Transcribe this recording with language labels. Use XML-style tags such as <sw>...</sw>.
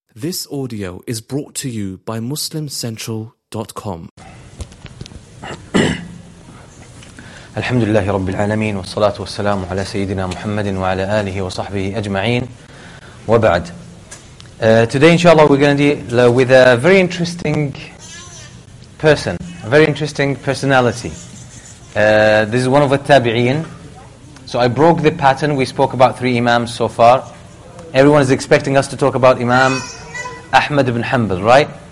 <en>This audio is brought to you by MuslimCentral.com.</en> <ar>الحمد لله رب العالمين والصلاة والسلام على سيدنا محمد وعلى آله وصحبه أجمعين وبعد.</ar> <en>Today, inshallah, we're going to deal with a very interesting person, a very interesting personality. This is one of the tabi'een. So I broke the pattern. We spoke about three imams so far. Everyone is expecting us to talk about Imam Ahmad ibn Hanbal, right?</en>